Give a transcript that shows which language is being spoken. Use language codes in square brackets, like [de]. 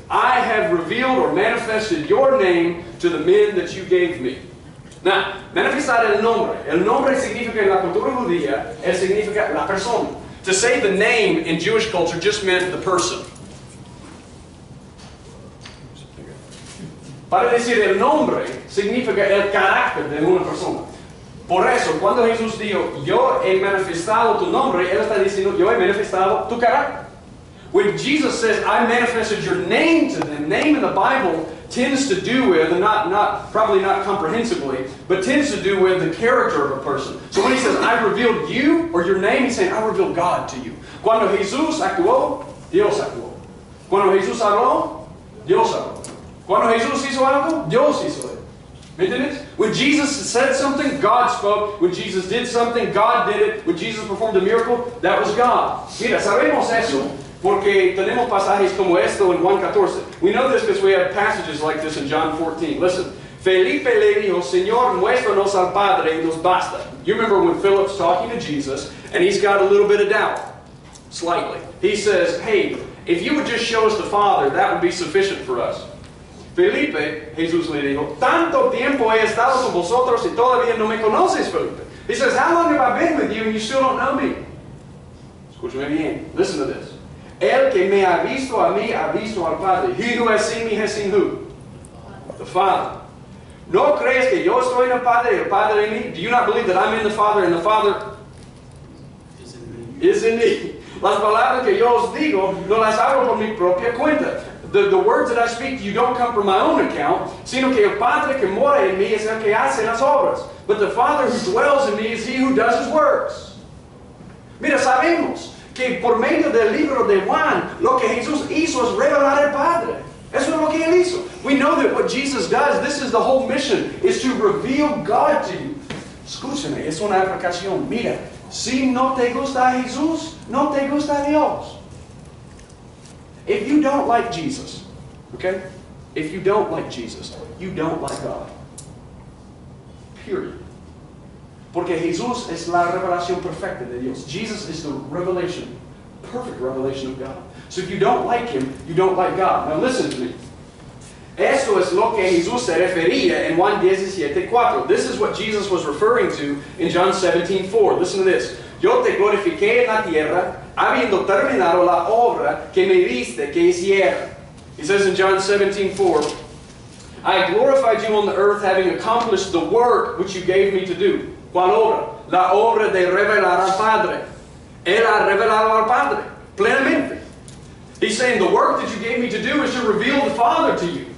[en] I have revealed or manifested your name to the men that you gave me. [es] Now, manifestar el nombre. El nombre significa en la cultura judía, él significa la persona. [en] To say the name in Jewish culture just meant the person. [es] Para decir el nombre significa el carácter de una persona. Por eso, cuando Jesús dijo, yo he manifestado tu nombre, él está diciendo, yo he manifestado tu carácter. [en] When Jesus says, I manifested your name to them, name in the Bible tends to do with, and not probably not comprehensively, but tends to do with the character of a person. So when he says, I revealed you or your name, he's saying, I revealed God to you. [es] Cuando Jesús actuó, Dios actuó. Cuando Jesús habló, Dios habló. Cuando Jesús hizo algo, Dios hizo [en] it. [es] Entendés? [en] When Jesus said something, God spoke. When Jesus did something, God did it. When Jesus performed a miracle, that was God. [es] Mira, sabemos eso. Porque tenemos pasajes como esto en Juan 14. [en] We know this because we have passages like this in John 14. Listen. [es] Felipe le dijo, Señor, muéstranos al Padre y nos basta. [en] You remember when Philip's talking to Jesus, and he's got a little bit of doubt. Slightly. He says, hey, if you would just show us the Father, that would be sufficient for us. [es] Felipe, Jesús le dijo, tanto tiempo he estado con vosotros y todavía no me conoces, Felipe. [en] He says, how long have I been with you and you still don't know me? [es] Escúchame bien. [en] Listen to this. [es] El que me ha visto a mí, ha visto al Padre. [en] He who has seen me has seen who? The Father. [es] No crees que yo estoy en el Padre y el Padre en mí? [en] Do you not believe that I'm in the Father and the Father is in me? [es] Las palabras que yo os digo, no las hablo por mi propia cuenta. [en] The words that I speak to you don't come from my own account, [es] sino que el Padre que mora en mí es el que hace las obras. [en] But the Father who dwells in me is he who does his works. [es] Mira, sabemos que por medio del libro de Juan, lo que Jesús hizo es revelar al Padre. Eso es lo que Él hizo. [en] We know that what Jesus does, this is the whole mission, is to reveal God to you. [es] Escúchame, es una aplicación. Mira, si no te gusta Jesús, no te gusta Dios. [en] If you don't like Jesus, okay? If you don't like Jesus, you don't like God. Period. [es] Porque Jesús es la revelación perfecta de Dios. [en] Jesus is the revelation, perfect revelation of God. So if you don't like him, you don't like God. Now listen to me. [es] Esto es lo que Jesús se refería en Juan 17:4. [en] This is what Jesus was referring to in John 17:4. Listen to this. [es] Yo te glorifiqué en la tierra, habiendo terminado la obra que me diste que hiciera. [en] He says in John 17:4, I glorified you on the earth, having accomplished the work which you gave me to do. [es] ¿Cuál obra? La obra de revelar al Padre. Él ha revelado al Padre plenamente. [en] He's saying the work that you gave me to do is to reveal the Father to you.